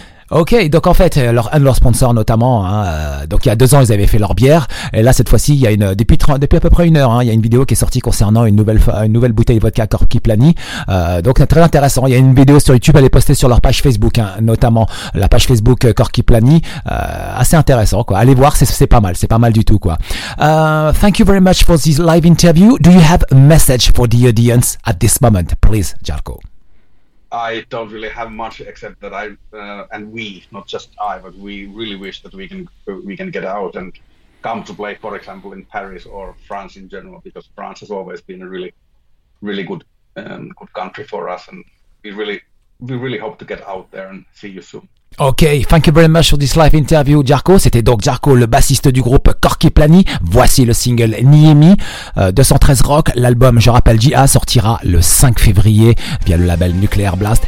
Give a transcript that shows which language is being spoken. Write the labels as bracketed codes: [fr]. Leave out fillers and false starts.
[fr] Ok, donc en fait, un de leurs sponsors notamment, donc il y a 2 ans, ils avaient fait leur bière, et là, cette fois-ci, il y a depuis à peu près 1 heure, il y a une vidéo qui est sortie concernant une nouvelle bouteille de vodka Korpiklani, donc c'est très intéressant. Il y a une vidéo sur YouTube, elle est postée sur leur page Facebook, notamment la page Facebook Korpiklani, assez intéressant, quoi. Allez voir, c'est pas mal du tout, quoi. [en] Thank you very much for this live interview. Do you have a message for the audience at this moment, please, Jarkko? I don't really have much, except that I and we, not just I, but we really wish that we can get out and come to play, for example, in Paris or France in general, because France has always been a really, really good country for us, and we really hope to get out there and see you soon. Ok, thank you very much for this live interview, Jarkko. [fr] C'était donc Jarkko, le bassiste du groupe Korkiplani. Voici le single Niemi, 213 Rock. L'album, je rappelle, J.A. sortira le 5 février via le label Nuclear Blast.